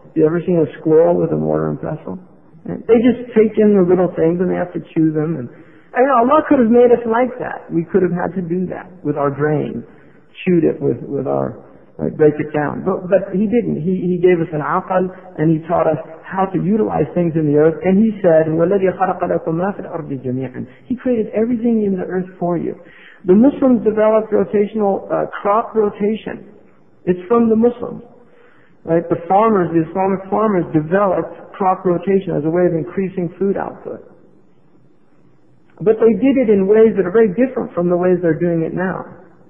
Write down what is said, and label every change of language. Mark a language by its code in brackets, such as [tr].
[en] You ever seen a squirrel with a mortar and pestle? They just take in the little things and they have to chew them. And Allah could have made us like that. We could have had to do that with our grain, chewed it with our, like, break it down. But He didn't. He gave us an aqal and He taught us how to utilize things in the earth. And He said, [ar] وَالَّذِي خَلَقَ لَكُمْ مَا فِي الْأَرْضِ جَمِيعًا. [en] He created everything in the earth for you. The Muslims developed crop rotation. It's from the Muslims. Right? The farmers, the Islamic farmers, developed crop rotation as a way of increasing food output. But they did it in ways that are very different from the ways they're doing it now.